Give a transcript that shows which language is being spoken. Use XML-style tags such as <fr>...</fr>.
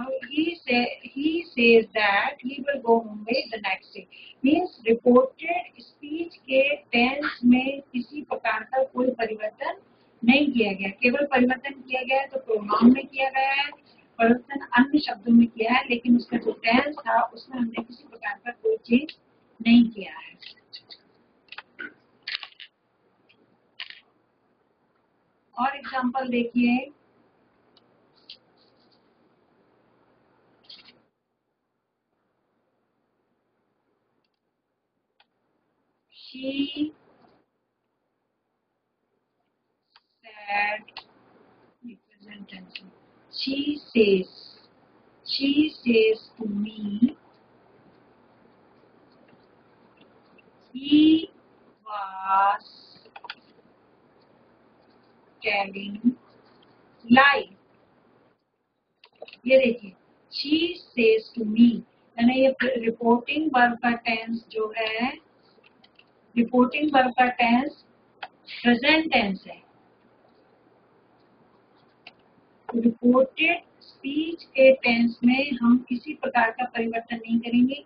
<en>He says that he will go Mumbai the next day.</en> <hi>Means reported speech के tense में किसी प्रकार का कोई परिवर्तन नहीं किया गया. केवल परिवर्तन किया गया है तो pronoun में किया गया है, परिवर्तन अन्य शब्दों में किया है, लेकिन उसका जो tense था उसमें हमने किसी प्रकार का कोई चेंज नहीं किया है. और example देखिए.</hi> <en>She said, present tense. She says to me, he was telling lies.</en> <hi>ये देखिए,</hi> <en>she says to me,</en> <hi>यानी ये reporting verb का tense जो है. रिपोर्टिंग वर्ब का टेंस प्रेजेंट टेंस है. रिपोर्टेड स्पीच के टेंस में हम किसी प्रकार का परिवर्तन नहीं करेंगे.</hi>